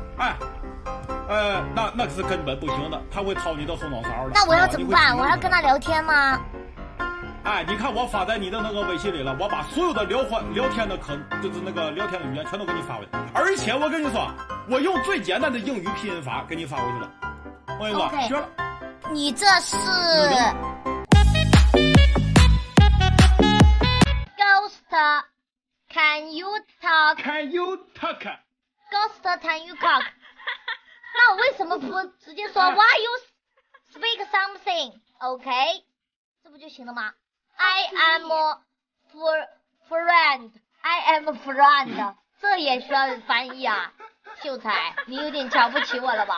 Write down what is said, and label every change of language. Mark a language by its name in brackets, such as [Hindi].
[Chinese] 哎，那可是根本不行的，他会掏你的后脑勺的。那我要怎么办？我要跟他聊天吗？哎，你看我发在你的那个微信里了，我把所有的聊天的可就是那个聊天的语言全都给你发回去，而且我跟你说，我用最简单的英语拼音法给你发回去了，我跟你说， [English] okay， [Chinese] 学了。你这是 ghost， [English] can you talk？ Can you talk？ Ghost， can you talk？ [Chinese] 那我为什么不直接说 [English] Why you speak something？ [Chinese] OK， 这不就行了吗？ [English] I am a friend. I am a friend. [Chinese] 这也需要翻译啊，秀才，你有点瞧不起我了吧？